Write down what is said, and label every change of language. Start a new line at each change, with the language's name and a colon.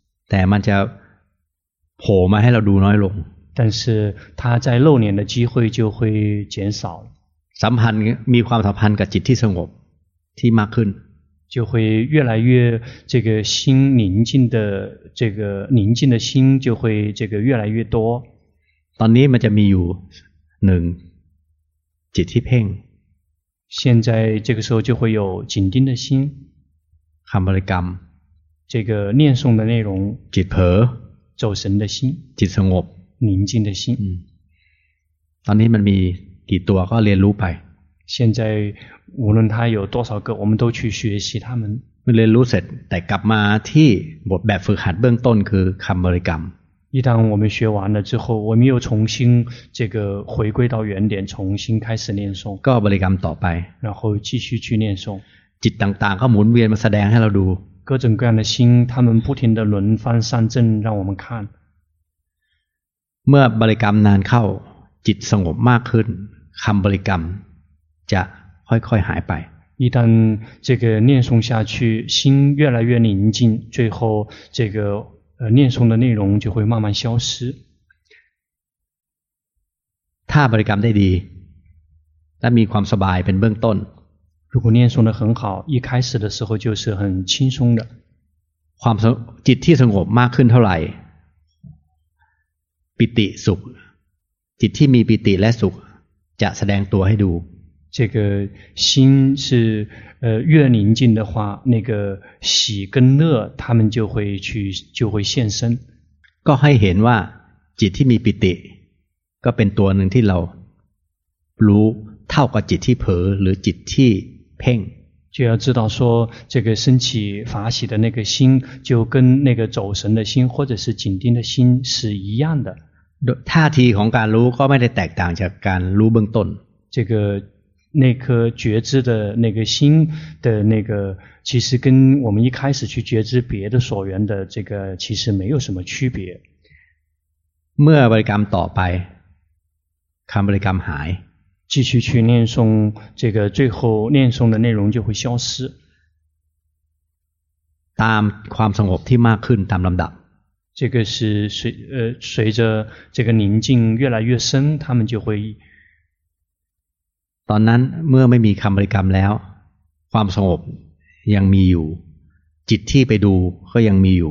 Thai: แต่มันจะโผล่มาให้เราดูน้อยลง
Chinese: 但是他在露脸的机会就会减少
Thai: สัมพันธ์มีความสัมพันธ์กับจิตที่สงบที่มากขึ้น
Chinese: 就会越来越这个心宁静的这个宁静的心就会这个越来越多
Thai: ตอนนี้มันจะมีอยู่หนึ่งจิตที่เพ่ง
Chinese: 现在这个时候就会有紧盯的心
Thai: คำบริกรรม
Chinese: 这个念诵的内容
Thai: จิตเผล
Chinese: อ走神的心
Thai: จิตสงบ
Chinese: 宁静的心
Thai: ตอนนี้มันมีกี่ตัวก็เรียนรู้ไป
Chinese: 现在无论他有多少个我们都去学习他们
Thai: เรียนรู้เสร็จแต่กลับมาที่บทแบบฝึกหัดเบื้องต้นคือคำบริกรรม
Chinese: 一旦我们学完了之后我们又重新这个回归到原点重新开始念诵
Thai: ก็บริกรรมต่อไป
Chinese: 然后继续去念诵
Thai: จิตต่างๆก็หมุนเวียนมาแสดงให้เราดู
Chinese: 各种各样的心他们不停的轮番上阵让我们看
Thai: เมื่อบริกรรมนานเข้าจิตสงบมากขึ้นคำบริกรรมจะค่อยๆหายไป
Chinese: 一旦这个念诵下去心越来越宁静最后这个念诵的内容就会慢慢消失
Thai: ถ้าบริกรรมได้ดีและมีความสบายเป็นเบื้องต้น
Chinese: 如果念诵得很好一开始的时候就是很轻松的
Thai: ความจิตที่สงบมากขึ้นเท่าไหร่ปิติสุขจิตที่มีปิติและสุขจะแสดงตัวให้ดู
Chinese: 这个心是越宁静的话那个喜跟乐他们就会去就会现身
Thai: ก็ให้เห็นว่าจิตที่มีปิติก็เป็นตัวหนึ่งที่เรารู้เท่ากับจิตที่เผลอหรือจิตที่เพ่ง
Chinese: 就要知道说这个升起法喜的那个心就跟那个走神的心或者是紧盯的心是一样的
Thai: ท่าทีของการรู้ก็ไม่ได้แตกต่างจากการรู้เบื้องต้น
Chinese: 这个那颗觉知的那个心的那个其实跟我们一开始去觉知别的所缘的这个其实没有什么区别
Thai: เมื่อบริกรรมต่อไปคำบริกรรมหาย
Chinese: 继续去念诵这个最后念诵的内容就会消失
Thai: ตามความสงบที่มากขึ้นตามลำดับ
Chinese: 这个是随着这个宁静越来越深他们就会
Thai: ตอนนั้นเมื่อไม่มีคำบริกรรมแล้วความสงบยังมีอยู่จิตที่ไปดูก็ยังมีอยู